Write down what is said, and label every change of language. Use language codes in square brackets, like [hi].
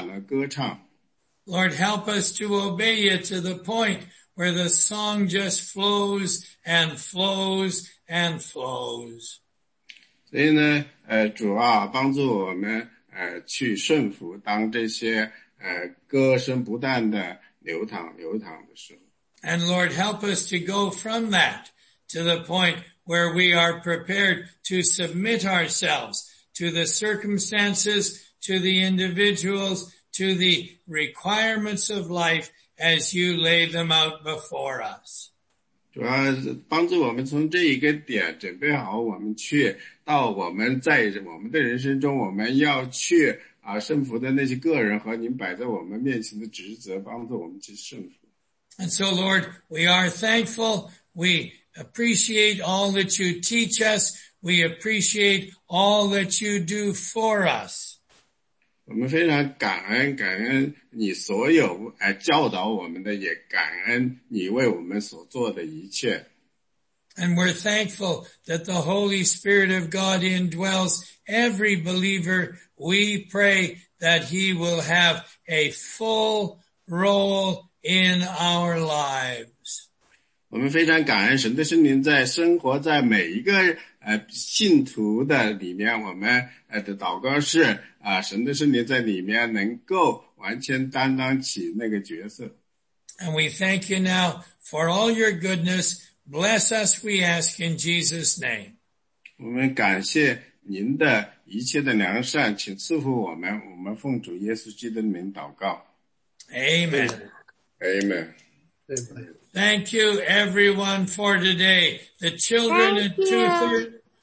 [zh] 所以呢，我们要非常感谢主啊！您让您的圣灵来到我们人生中间，让我们的人生充满了歌唱。 [en] Lord, help us to obey you to the point where the song just flows and flows and flows. [zh] 所以呢，主啊，帮助我们去顺服，当这些歌声不断的流淌的时候。 [en] And Lord, help us to go from that to the point where we are prepared to submit ourselves to the circumstances, to the individuals, to the requirements of life as you lay them out before us. [zh] 主要帮助我们从这一个点准备好，我们去到我们在我们的人生中我们要去啊顺服的那些个人和您摆在我们面前的职责，帮助我们去顺服。 [en] And so, Lord, we are thankful. We appreciate all that you teach us. We appreciate all that you do for us. [zh] 我们非常感恩，感恩你所有教导我们的，也感恩你为我们所做的一切。 [en] And we're thankful that the Holy Spirit of God indwells every believer. We pray that he will have a full role in our lives. [zh] 我们非常感恩神的圣灵在生活在每一个信徒的里面，我们的祷告是神的圣灵在里面能够完全担当起那个角色。 [en] And we thank you now for all your goodness. Bless us, we ask in Jesus' name. [zh] 我们感谢您的一切的良善，请赐福我们。我们奉主耶稣基督的名祷告。 [en] Amen. Amen. Thank you, everyone, for today. The children at 2:30.